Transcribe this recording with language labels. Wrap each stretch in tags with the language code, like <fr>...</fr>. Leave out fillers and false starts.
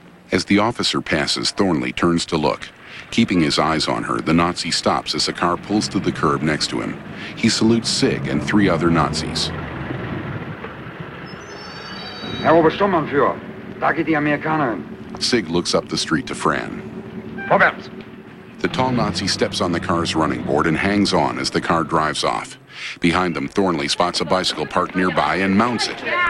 <en>As the officer passes, Thornley turns to look. Keeping his eyes on her, the Nazi stops as a car pulls to the curb next to him. He salutes Sig and three other Nazis.</en> <de>Herr Obersturmbannführer, da geht die Amerikanerin.</de> <en>Sig looks up the street to Fran.</en> <de>Vorwärts!</de> <en>The tall Nazi steps on the car's running board and hangs on as the car drives off. Behind them, Thornley spots a bicycle parked nearby and mounts it.</en>